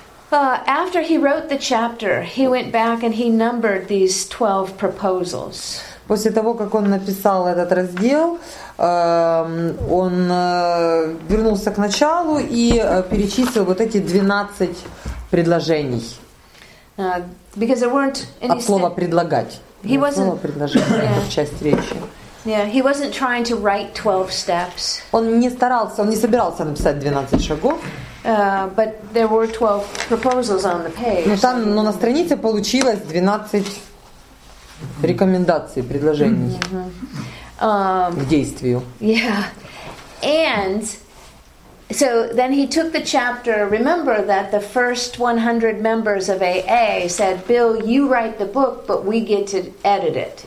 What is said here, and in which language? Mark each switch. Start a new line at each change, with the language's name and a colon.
English: After he wrote the chapter, he went back and he numbered these 12 proposals.
Russian: После того, как он написал этот раздел, он вернулся к началу и перечислил вот эти 12 предложений.
English: Because there weren't any...
Russian: От слова «предлагать». От слова «предложение» — это часть речи.
English: Yeah, he wasn't trying to write 12 steps.
Russian: Он не старался, он не собирался написать 12 шагов.
English: But there were 12 proposals on the page.
Russian: Но там, но на странице получилось 12 рекомендаций, предложений к действию.
English: Yeah. And so then he took the chapter. Remember that the first 100 members of AA said, "Bill, you write the book, but we get to edit it.